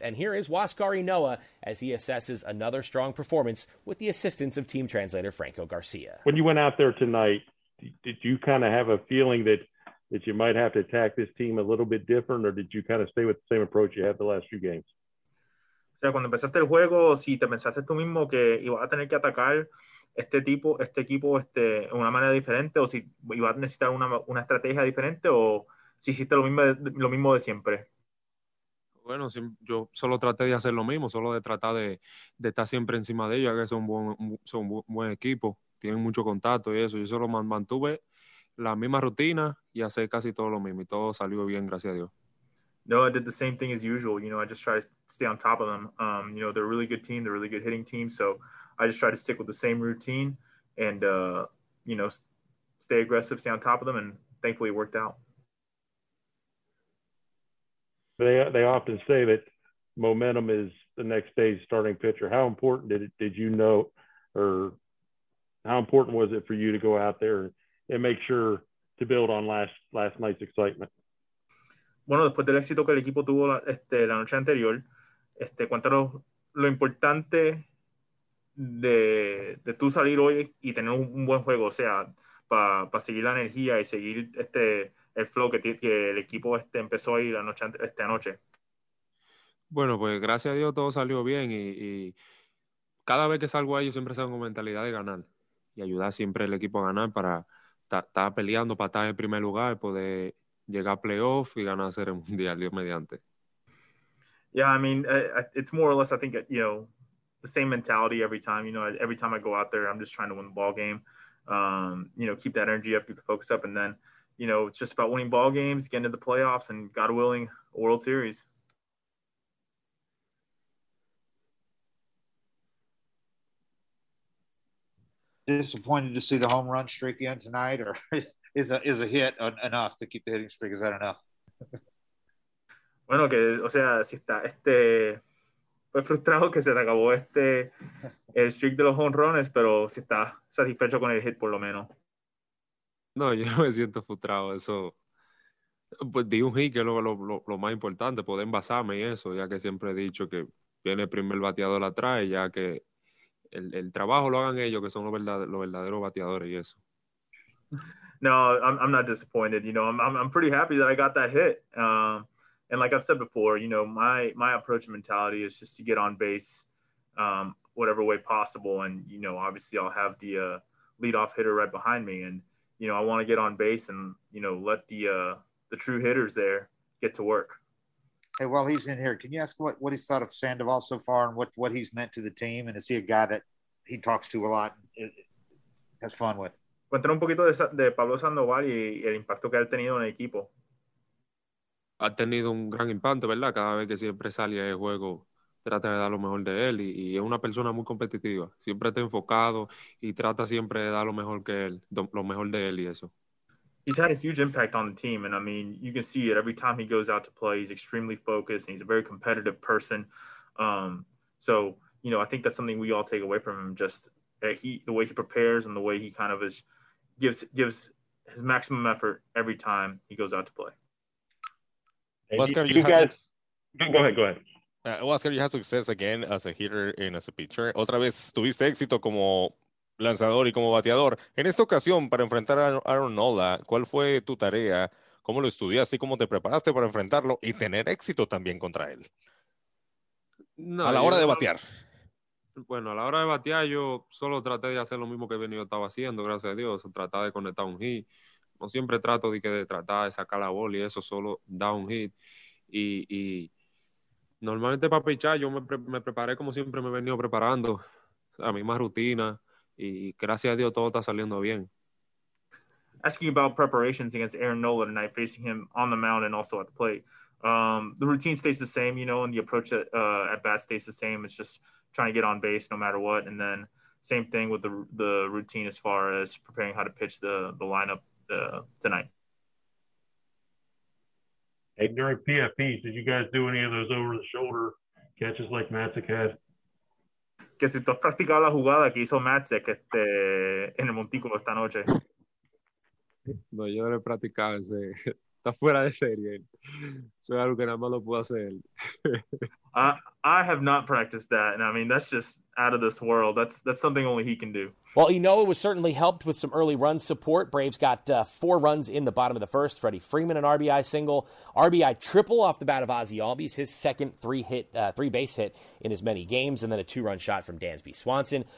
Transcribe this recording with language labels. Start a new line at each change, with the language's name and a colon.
English: And here is Waskari Noah as he assesses another strong performance with the assistance of team translator Franco Garcia. When you went out there tonight, did you kind of have a feeling that you might have to attack this team a little bit different, or did you kind of stay with the same approach you had the last few games?
Spanish: O sea, cuando empezaste el juego, si te pensaste tú mismo que ibas a tener que atacar este equipo, de una manera diferente, o si ibas a necesitar una estrategia diferente, o si hiciste lo mismo de siempre. Bueno, yo solo traté de hacer lo mismo, solo de tratar de estar siempre encima de ellos, que son un buen equipo, tienen mucho contacto y eso. Yo solo mantuve la misma rutina y hacer casi todo lo mismo y todo salió bien, gracias a Dios.
English: No, I did the same thing as usual. You know, I just try to stay on top of them. You know, they're a really good team. They're a really good hitting team. So I just try to stick with the same routine and, you know, stay aggressive, stay on top of them. And thankfully it worked out. They often say that momentum is the next day's starting pitcher. How important was it for you to go out there and make sure to build on last night's excitement?
Spanish: Bueno, después del éxito que el equipo tuvo la noche anterior, cuéntanos lo importante de tú salir hoy y tener un buen juego, o sea, para seguir la energía y seguir el flow que el equipo empezó ahí la noche esta noche. Bueno, pues gracias a Dios todo salió bien y cada vez que salgo ahí yo siempre salgo con mentalidad de ganar y ayudar siempre al equipo a ganar para estaba peleando para estar en primer lugar, poder llegar a playoff y ganar a Serie Mundial, Dios mediante.
English: Yeah, I mean, it's more or less, I think, you know, the same mentality every time. You know, every time I go out there, I'm just trying to win the ball game. You know, keep that energy up, keep the focus up. And then, you know, it's just about winning ball games, getting to the playoffs, and God willing, World Series. disappointed to see the home run streak again tonight, or is a hit enough to keep the hitting streak? Is that enough?
Spanish: Bueno, que, o sea, si está este, pues frustrado que se te acabó este, el streak de los home runs, pero si está satisfecho con el hit por lo menos. No, yo no me siento frustrado, eso. Pues di un hit, que es lo más importante, poder envasarme y eso, ya que siempre he dicho que viene el primer bateador atrás, ya que el trabajo lo hagan ellos, que son los verdaderos bateadores y eso.
English: No, I'm not disappointed, you know, I'm pretty happy that I got that hit. And like I've said before, you know, my approach and mentality is just to get on base whatever way possible. And, you know, obviously I'll have the leadoff hitter right behind me. And, you know, I want to get on base and, you know, let the true hitters there get to work. Hey, while he's in here, can you ask what he's thought of Sandoval so far and what he's meant to the team? And is he a guy that he talks to a lot and has fun with?
Spanish: Cuéntanos un poquito de Pablo Sandoval y el impacto que ha tenido en el equipo. Ha tenido un gran impacto, ¿verdad? Cada vez que siempre sale el juego, trata de dar lo mejor de él. Y es una persona muy competitiva. Siempre está enfocado y trata siempre de dar lo mejor que él, lo mejor de él y eso.
English: He's had a huge impact on the team. And, I mean, you can see it every time he goes out to play. He's extremely focused and he's a very competitive person. So, you know, I think that's something we all take away from him. Just that the way he prepares and the way he kind of gives his maximum effort every time he goes out to play. Oscar, go ahead. Oscar, you had success again as a hitter and as a pitcher.
Spanish: Otra vez tuviste éxito como lanzador y como bateador. En esta ocasión, para enfrentar a Aaron Nola, ¿cuál fue tu tarea? ¿Cómo lo estudiaste y cómo te preparaste para enfrentarlo y tener éxito también contra él? No, a la hora de batear. Bueno, a la hora de batear, yo solo traté de hacer lo mismo que yo estaba haciendo, gracias a Dios. Tratar de conectar un hit. No siempre trato de tratar de sacar la bola y eso, solo da un hit. Y normalmente para pichar yo me preparé como siempre me he venido preparando, la misma rutina, y gracias a Dios todo está saliendo bien.
English: Asking about preparations against Aaron Nola tonight, facing him on the mound and also at the plate. The routine stays the same, you know, and the approach at bat stays the same. It's just trying to get on base no matter what. And then same thing with the routine as far as preparing how to pitch the lineup. Tonight. Hey, during PFPs, did you guys do any of those over-the-shoulder catches like Matzik had?
Spanish: Que si tú has practicado la jugada que hizo Matzik en el montículo esta noche. No, yo no he practicado ese. Está fuera de serie. Eso es algo que nada más lo puedo hacer.
English: I have not practiced that, and I mean, that's just out of this world. That's something only he can do. Well, you know, it was certainly helped with some early run support. Braves got 4 runs in the bottom of the first. Freddie Freeman, an RBI single. RBI triple off the bat of Ozzie Albies, his second three-base hit in as many games, and then a 2-run shot from Dansby Swanson.